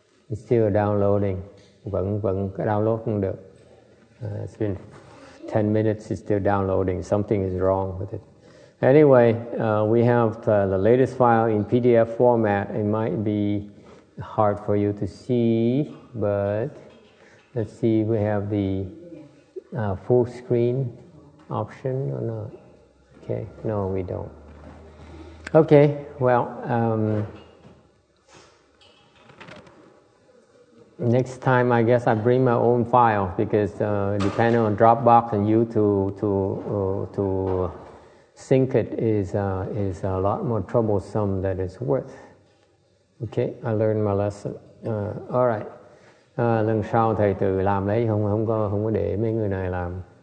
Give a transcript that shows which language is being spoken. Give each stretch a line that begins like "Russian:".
English: It's still downloading,
Vietnamese: vẫn có download không được.
English: It's been 10 minutes, it's still downloading. Something is wrong with it. Anyway, we have the latest file in PDF format. It might be hard for you to see, but let's see if we have the full screen option or not. Okay, no, we don't. Okay, well, Next time, I guess I bring my own file because depending on Dropbox and YouTube to sync it is a lot more troublesome than it's worth. Okay, I learned my lesson. All right.
Vietnamese: Lần sau thầy tự làm đấy, không có để mấy người này làm.